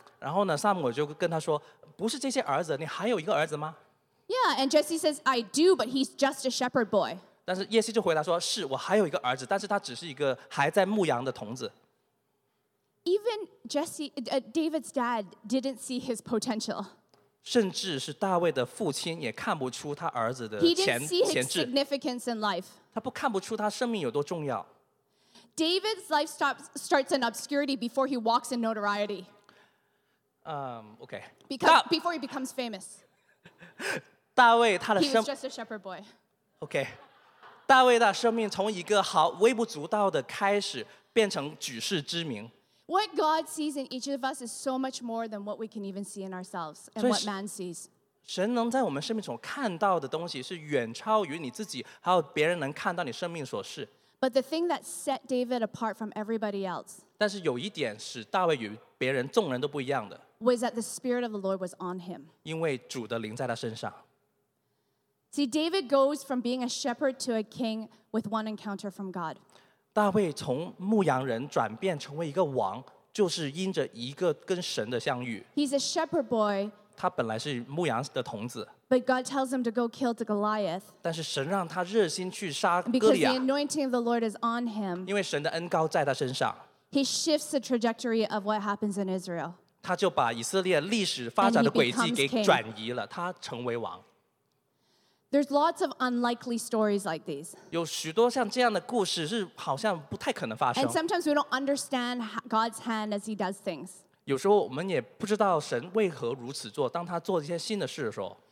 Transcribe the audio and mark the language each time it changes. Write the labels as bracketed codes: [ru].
[zh] 然后呢，撒母耳就跟他说，不是这些儿子，你还有一个儿子吗？ [en] Yeah, and Jesse says, I do, but he's just a shepherd boy. [zh] 但是耶西就回答说，是我还有一个儿子，但是他只是一个还在牧羊的童子。 [en] Even David's dad didn't see his potential. [zh] 甚至是大卫的父亲也看不出他儿子的潜质。 [en] He didn't see his significance in life. [zh] 他不看不出他生命有多重要。 [en] David's life starts in obscurity before he walks in notoriety. Okay. Before he becomes famous. [zh] 大卫他的生 [en] He was just a shepherd boy. Okay. [zh] 大卫的生命从一个好微不足道的开始变成举世知名。 [en] What God sees in each of us is so much more than what we can even see in ourselves and what man sees. [zh] 神能在我们生命中看到的东西是远超于你自己还有别人能看到你生命所示。 [en] But the thing that set David apart from everybody else [zh] 但是有一点使大卫与别人众人都不一样的 [en] was that the Spirit of the Lord was on him. [zh] 因为主的灵在他身上。 [en] See, David goes from being a shepherd to a king with one encounter from God. [zh] 大卫从牧羊人转变成为一个王，就是因着一个跟神的相遇。 [en] He's a shepherd boy. [zh] 他本来是牧羊的童子。 [en] But God tells him to go kill the Goliath. [zh] 但是神让他热心去杀哥利亚。 [en] Because the anointing of the Lord is on him. [zh] 因为神的恩膏在他身上。 [en] He shifts the trajectory of what happens in Israel. [zh] 他就把以色列历史发展的轨迹给转移了，他成为王。 [en] There's lots of unlikely stories like these. [zh] 有许多像这样的故事是好像不太可能发生。 [en] And sometimes we don't understand God's hand as He does things. [zh] 有时候我们也不知道神为何如此做，当他做一些新的事的时候。